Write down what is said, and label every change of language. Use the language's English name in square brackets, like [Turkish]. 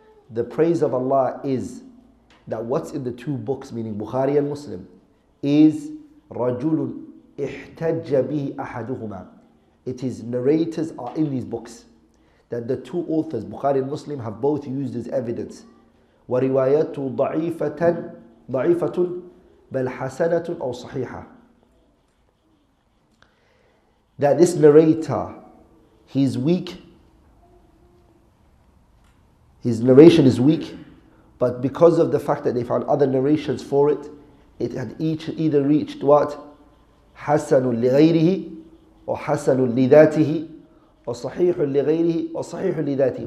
[English] The praise of Allah is that what's in the two books, meaning Bukhari and Muslim, is [Arabic] رجل احتج به أحدهما. [English] It is narrators are in these books that the two authors, Bukhari and Muslim, have both used as evidence. [Arabic] وروايته ضعيفة ضعيفة بل حسنة أو صحيحة. [English] That this narrator, he's weak, his narration is weak, but because of the fact that they found other narrations for it, it had either reached what? [Arabic] حسن لغيره or حسن لذاته or صحيح لغيره or صحيح لذاته.